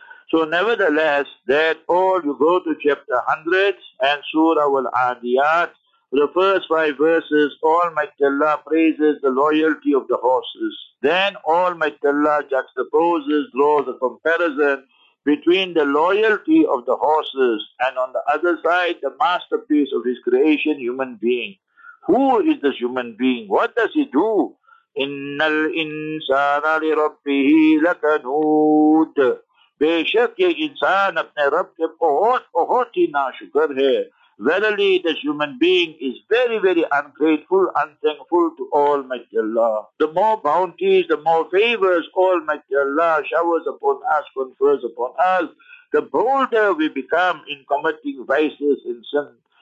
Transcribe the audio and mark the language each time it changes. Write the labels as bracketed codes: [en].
[en] So nevertheless, that all you go to chapter 100 and Surah Al-Adiyat, the first 5 verses, all Majdallah praises the loyalty of the horses. Then all Majdallah juxtaposes, draws a comparison between the loyalty of the horses and on the other side, the masterpiece of his creation, human being. Who is this human being? What does he do? [ar] إِنَّ الْإِنسَانَ لِرَبِّهِ لَكَنُودٌ [ur] بے شک یہ انسان اپنے رب کے بہت بہت ہی ناشکر ہے. [en] Verily, this human being is very, very ungrateful, unthankful to Almighty Allah. The more bounties, the more favors Almighty Allah showers upon us, confers upon us, the bolder we become in committing vices and sins.